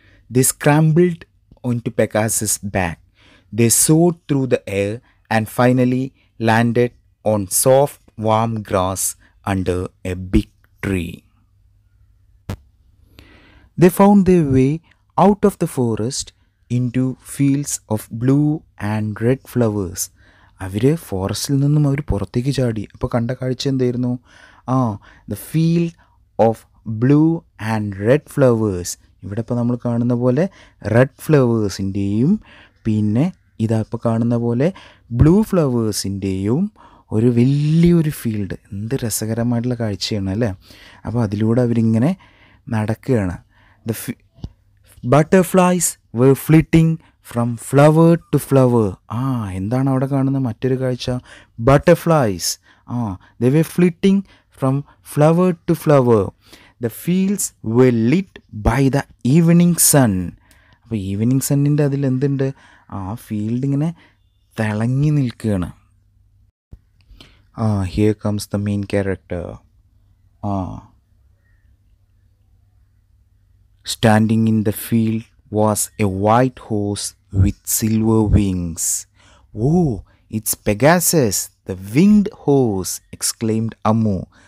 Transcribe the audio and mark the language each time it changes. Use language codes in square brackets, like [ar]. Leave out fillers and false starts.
[en] They scrambled onto Pegasus' back. They soared through the air and finally landed on soft, warm grass under a big tree. They found their way out of the forest into fields of blue and red flowers. [ml] അവര് ഫോറസ്റ്റിൽ നിന്നും അവർ പുറത്തേക്ക് ചാടി. അപ്പോൾ കണ്ട കാഴ്ച എന്തായിരുന്നു? [en] The field of blue and red flowers. [ml] ഇവിടെ ഇപ്പോൾ നമ്മൾ കാണുന്ന പോലെ റെഡ് ഫ്ലവേഴ്സിൻ്റെയും പിന്നെ ഇതാ ഇപ്പോൾ കാണുന്ന പോലെ ബ്ലൂ ഫ്ലവേഴ്സിൻ്റെയും ഒരു വലിയൊരു ഫീൽഡ്. എന്ത് രസകരമായിട്ടുള്ള കാഴ്ചയാണ് അല്ലേ. അപ്പോൾ അതിലൂടെ അവരിങ്ങനെ നടക്കുകയാണ്. [en] The butterflies were flitting from flower to flower. [ml] എന്താണ് അവിടെ കാണുന്ന മറ്റൊരു കാഴ്ച? [en] Butterflies. They were flitting from flower to flower. The fields were lit by the evening sun. [ml] അപ്പോൾ ഈവനിങ് സണ്ണിൻ്റെ അതിൽ എന്തുണ്ട്? ഫീൽഡ് ഇങ്ങനെ തിളങ്ങി നിൽക്കുകയാണ്. [en] Here comes the main character. Standing in the field was a white horse with silver wings. Oh, it's Pegasus, the winged horse, exclaimed Ammu.